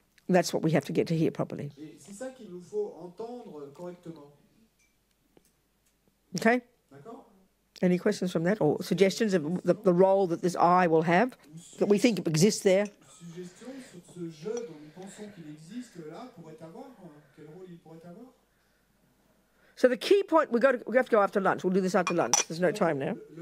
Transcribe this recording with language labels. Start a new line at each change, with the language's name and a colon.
English: That's what we have to get to hear properly.
French: C'est ça qu'il nous faut entendre correctement.
English: Okay?
French: D'accord.
English: Any questions from that or suggestions of the role that this I will have that we think exists there?
French: Suggestions sur ce jeu dont nous pensons qu'il existe là pourrait avoir, quel rôle il pourrait avoir?
English: So the key point, we have to go after lunch. We'll do this after lunch. There's no time now.